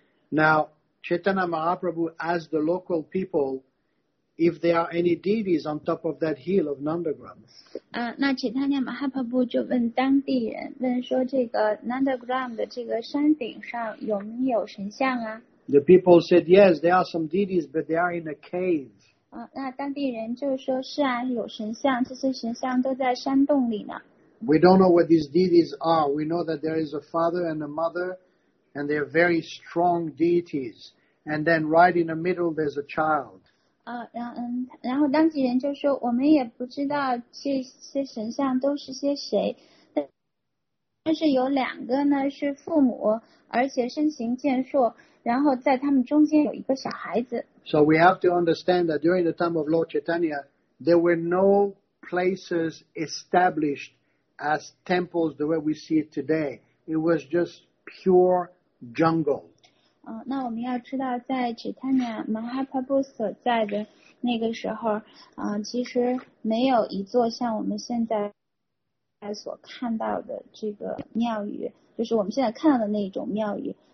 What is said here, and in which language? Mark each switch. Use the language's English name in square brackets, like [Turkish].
[English] Now, Chaitanya Mahaprabhu asked the local people,if there are any deities on top of that hill of Nandagram. [Chinese] 那 Chaitanya Mahaprabhu 就问当地人，问说这个 Nandagram 的这个山顶上有没有神像啊？ [English] The people said yes, there are some deities, but they are in a cave. [Chinese] 那当地人就说是啊，有神像，这些神像都在山洞里呢。 [English] We don't know what these deities are. We know that there is a father and a mother, and they are very strong deities. And then right in the middle, there's a child. [Chinese] 然后当地人就说我们也不知道这些神像都是些谁，但是有两个呢是父母，而且身形健硕，然后在他们中间有一个小孩子。 [English] So we have to understand that during the time of Lord Chaitanya, there were no places established as temples the way we see it today. It was just pure jungle. [Chinese] 那我们要知道在 Chaitanya Mahaprabhu 所在的那个时候、其实没有一座像我们现在所看到的这个庙宇，就是我们现在看到的那种庙宇。